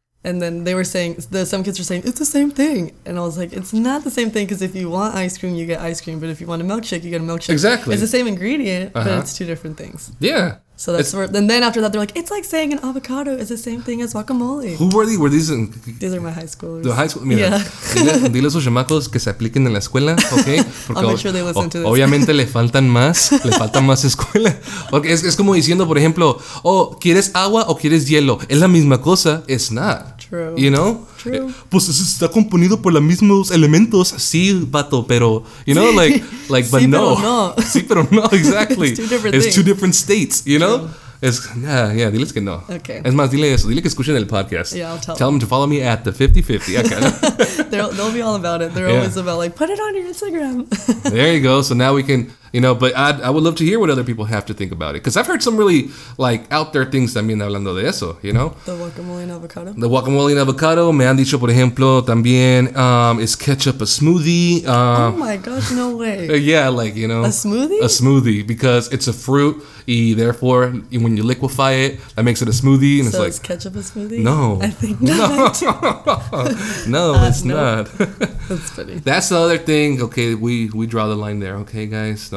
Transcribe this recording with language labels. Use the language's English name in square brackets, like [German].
[English] And then they were saying, some kids were saying, it's the same thing. And I was like, it's not the same thing, because if you want ice cream, you get ice cream. But if you want a milkshake, you get a milkshake. Exactly. It's the same ingredient, but it's two different things. Yeah. So that's where, and then after that, they're like, it's like saying an avocado is the same thing as guacamole. Who were these? These are my high schoolers. The high school, mira. [Spanish] Dile a esos chamacos que se apliquen en la escuela, okay? [English] Porque I'll make sure they listen to this. [Spanish] Obviamente le faltan más escuela. Porque es como diciendo, por ejemplo, ¿quieres agua o quieres hielo? Es la misma cosa. [English] It's not. True. You know? True. [Spanish] Pues está componido por los mismos elementos. Sí, vato, pero, [English] you know, like but [Spanish] sí, no. Sí, pero no. Sí, pero no, exactly. [English] It's two different states, you know? It's, [Spanish] yeah, diles que no. [English] Okay. [Spanish] Es más, dile eso. Dile que escuchen el podcast. [English] Yeah, I'll tell them. Tell them to follow me at the 5050. Okay. They'll be all about it. They're always about, like, put it on your Instagram. There you go. So now we can, you know, but I would love to hear what other people have to think about it. Because I've heard some really, like, out there things [Spanish] también hablando de eso, [English] you know? The guacamole and avocado. The guacamole and avocado. [Spanish] Me han dicho, por ejemplo, también, [English] is ketchup a smoothie? Oh my gosh, no way. Yeah, like, you know. A smoothie? A smoothie, because it's a fruit, y therefore, when you liquefy it, that makes it a smoothie. And so it's like, is ketchup a smoothie? No. I think not. No, it's not. That's funny. That's the other thing. Okay, we draw the line there. Okay, guys.